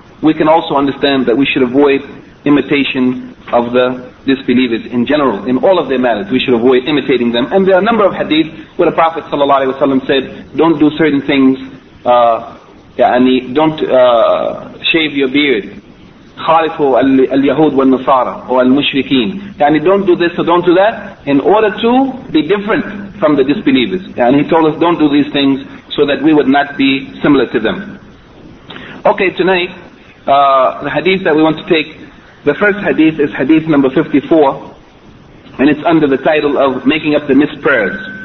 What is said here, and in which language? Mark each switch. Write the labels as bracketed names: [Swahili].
[English] we can also understand that we should avoid imitation of the disbelievers in general. In all of their matters, we should avoid imitating them. And there are a number of hadith where the Prophet ﷺ said, don't do certain things, don't shave your beard. [Arabic] خالفوا اليهود والنصارى والمشركين. [English] يعني don't do this or don't do that in order to be different from the disbelievers. And he told us don't do these things so that we would not be similar to them. Okay, tonight the hadith that we want to take, the first hadith is hadith number 54, and it's under the title of making up the missed prayers.